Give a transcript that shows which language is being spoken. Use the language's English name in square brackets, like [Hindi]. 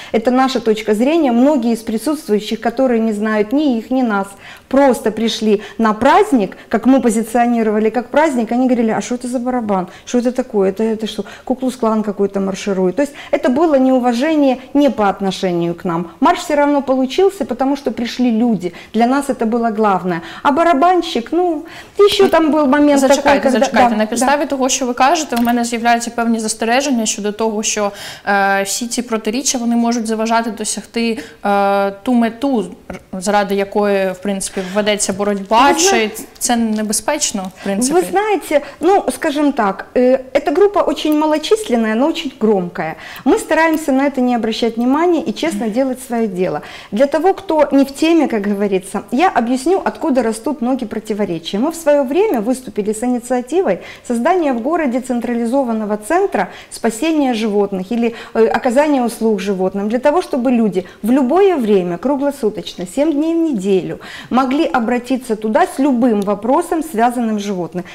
[Russian] Это наша точка зрения. Многие из присутствующих, которые не знают ни их, ни нас, просто пришли на праздник, как мы позиционировали, как праздник, они говорили, а что это за барабан? Что это такое? Это что, Ку-клукс-клан какой-то марширует? То есть это было неуважение не по отношению к нам. Марш все равно получился, потому что пришли люди. Для нас это было главное. А барабанщик, ну, еще там был момент [Ukrainian] зачекайте, [Russian] такой, когда... [Ukrainian] Зачекайте, да, на підставі того, що ви кажете, у мене з'являються певні застереження щодо того, що всі ці протиріччя, вони можуть заважати досягти ту мету, заради якої, в принципі, ведеться боротьба, чи це небезпечно, в принципі? Ви знаєте, ну, скажімо так, ця група дуже малочисленна, але дуже громка. Ми стараємося на це не звертати увагу і чесно робити своє діло. Для того, хто не в темі, як говориться, я об'ясню, [Russian] откуда ростуть ноги противоречия. [Ukrainian] Ми в своє [Russian] время [Ukrainian] виступили з ініціативою [Russian] создания в городе централизованного центра спасения животных или оказания услуг животным, для того, чтобы люди в любое время, круглосуточно, 7 дней в неделю, могли обратиться туда с любым вопросом, связанным с животным.